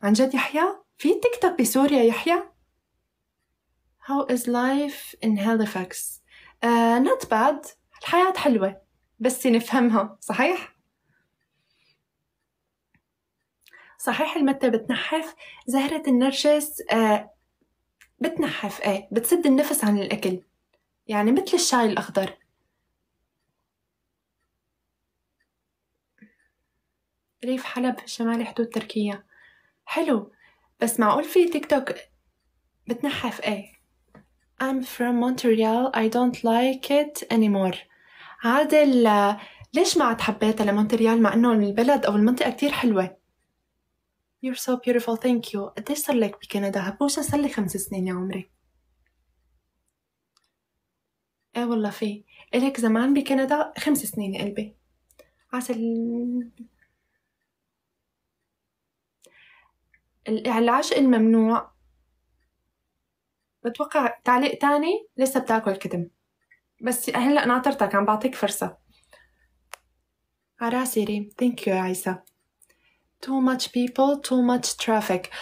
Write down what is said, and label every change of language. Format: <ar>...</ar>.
<ar>عن جد يحيى؟ في تيك توك بسوريا يحيى؟</ar> <en>How is life in Halifax؟ Not bad،</en> <ar>الحياة حلوة بس نفهمها صحيح؟ صحيح المتة بتنحف زهرة النرجس. بتنحف ايه، بتسد النفس عن الاكل يعني مثل الشاي الاخضر. ريف حلب شمالي حدود تركيا، حلو. بس معقول في تيك توك بتنحف ايه؟</ar> <en>I'm from Montreal, I don't like it anymore.</en> <ar>عادل ليش ما عاد حبيتها لمونتريال مع انه البلد او المنطقة كتير حلوة؟</ar> <en>You're so beautiful, thank you.</en> <ar>قديش صار لك بكندا؟ هبوشة صار لي 5 سنين يا عمري. ايه والله في الك زمان بكندا؟ 5 سنين قلبي عسل. العشق الممنوع بتوقع. تعليق تاني، لسه بتاكل كتم بس هلا ناطرتك، عم بعطيك فرصة. عراسي ريم</ar> <en>thank you</en> <ar>يا عيسى.</ar> <en>Too much people, too much traffic.</en>